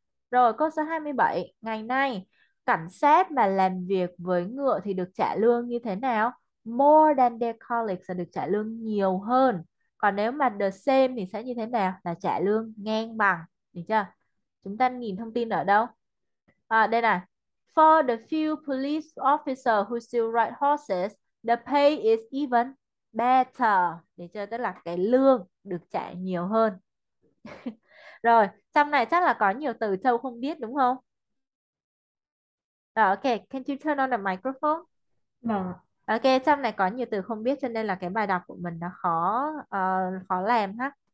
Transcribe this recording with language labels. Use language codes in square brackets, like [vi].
[vi] Rồi, câu số 27. Ngày nay, cảnh sát mà làm việc với ngựa thì được trả lương như thế nào? [en] More than their colleagues [vi] là được trả lương nhiều hơn. Còn nếu mà the same thì sẽ như thế nào? Là trả lương ngang bằng. Được chưa? Chúng ta nhìn thông tin ở đâu? À, đây này. [en] For the few police officers who still ride horses, the pay is even better. [vi] Được chưa? Tức là cái lương được trả nhiều hơn. Rồi, trong này chắc là có nhiều từ Châu không biết đúng không? [en] Ok, can you turn on the microphone? [vi] Vâng. Ok, trong này có nhiều từ không biết cho nên là cái bài đọc của mình nó khó khó làm ha.